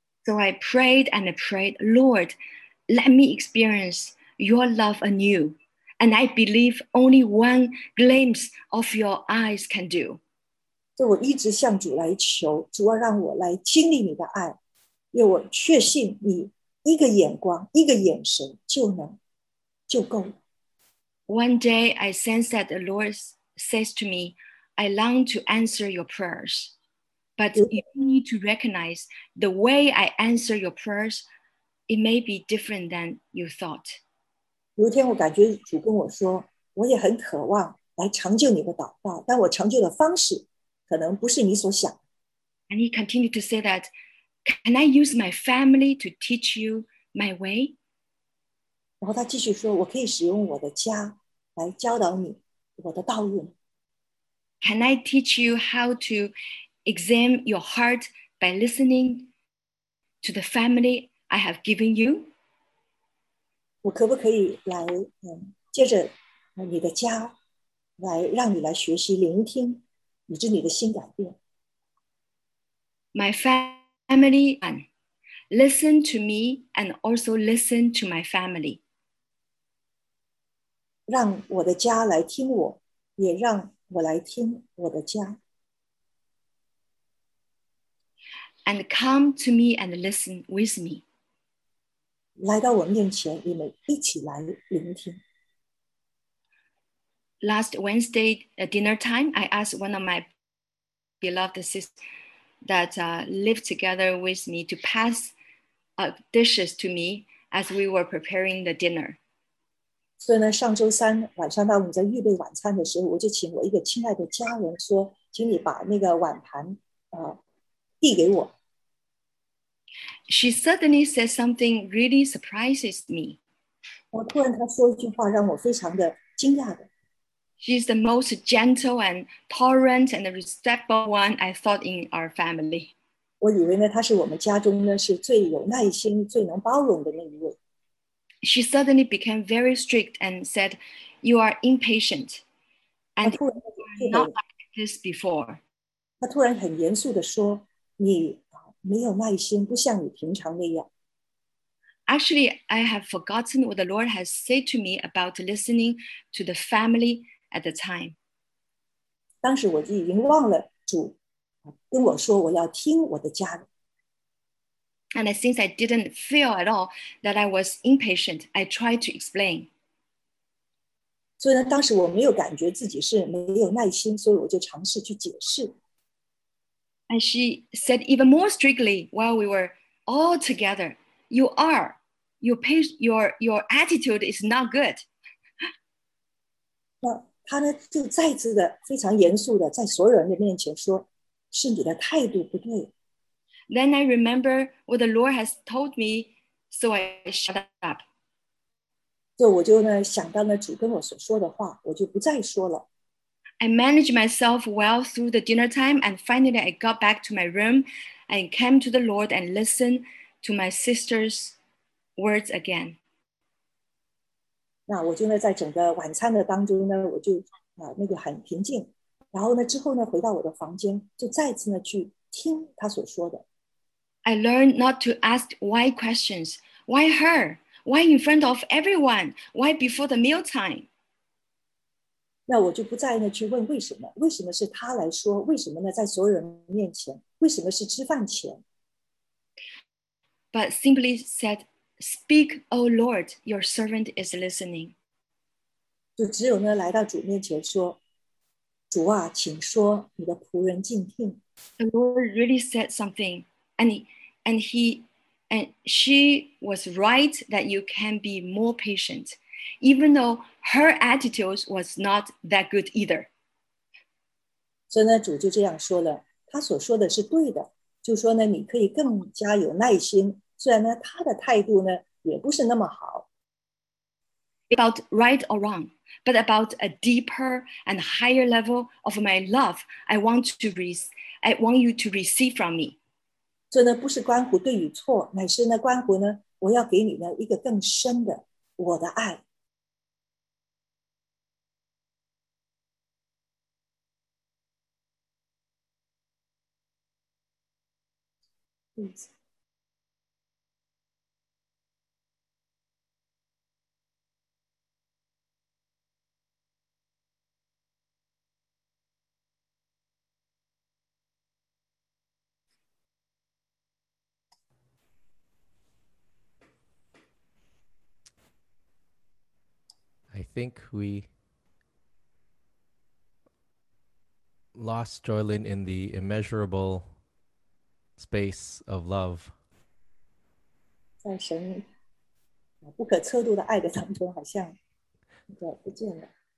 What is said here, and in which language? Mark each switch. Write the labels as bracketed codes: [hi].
[en] So I prayed and I prayed, Lord, let me experience your love anew. And I believe only one glimpse of your eyes can do. [zh] 所以我一直向主来求，主啊，让我来经历你的爱，因为我确信你一个眼光，一个眼神就够了。 [en] One day I sense that the Lord says to me, I long to answer your prayers. But you need to recognize the way I answer your prayers, it may be different than you thought. [zh] 有一天我感觉主跟我说，我也很渴望来成就你的祷告，但我成就的方式可能不是你所想。 [en] And he continued to say that, can I use my family to teach you my way? [zh] 然后他继续说，我可以使用我的家来教导你我的道路。 [en] Can I teach you how to examine your heart by listening to the family I have given you? [zh] 我可不可以来接着你的家来让你来学习聆听以致你的心改变。 [en] My family, listen to me and also listen to my family. [zh] 让我的家来听我，也让我来听我的家。 [en] And come to me and listen with me. [zh] 来到我面前，你们一起来聆听。 [en] Last Wednesday at dinner time, I asked one of my beloved sisters that lived together with me to pass dishes to me as we were preparing the dinner. [zh] 所以呢，上周三晚上，当我们在预备晚餐的时候，我就请我一个亲爱的家人说，请你把那个碗盘递给我。 [en] She suddenly said something really surprises me. [zh] 我突然她说一句话让我非常的惊讶的。 [en] She's the most gentle and tolerant and respectful one I thought in our family. [zh] 我以为呢，她是我们家中呢是最有耐心、最能包容的那一位。 [en] She suddenly became very strict and said, "You are impatient, and you are not like this before." [zh] 她突然很严肃地说，你没有耐心，不像你平常那样。 [en] Actually, I have forgotten what the Lord has said to me about listening to the family at the time. [zh] 当时我已经忘了主跟我说我要听我的家人。 [en] And since I didn't feel at all that I was impatient, I tried to explain. [zh] 所以呢，当时我没有感觉自己是没有耐心，所以我就尝试去解释。 [en] And she said even more strictly while we were all together, "You are, your attitude is not good." [zh] 那他呢就再次的非常严肃的在所有人的面前说，是你的态度不对。 [en] Then I remember what the Lord has told me, so I shut up. [zh] 就我就呢想到了主跟我所说的话，我就不再说了。 [en] I managed myself well through the dinner time, and finally I got back to my room and came to the Lord and listened to my sister's words again. [zh] 那我就呢在整个晚餐的当中呢，我就那个很平静，然后呢之后呢回到我的房间，就再次呢去听他所说的。 [en] I learned not to ask why questions. Why her? Why in front of everyone? Why before the meal time? [zh] 那我就不再呢去问为什么，为什么是他来说，为什么呢在所有人面前，为什么是吃饭前。 [en] But simply said, "Speak, O Lord, your servant is listening." [zh] 就只有呢来到主面前说，主啊，请说，你的仆人静听。 [en] The Lord really said something, and she was right that you can be more patient. Even though her attitude was not that good either. [zh] 所以呢，主就这样说了，他所说的是对的，就说呢，你可以更加有耐心，虽然呢，他的态度呢，也不是那么好。 [en] About right or wrong, but about a deeper and higher level of my love, I want you to receive from me. [zh] 所以呢，不是关乎对与错，乃是呢，关乎呢，我要给你呢，一个更深的我的爱。 [en] I think we lost Joylin in the immeasurable space of love. [zh] 在神不可测度的爱的当中，好像不见了。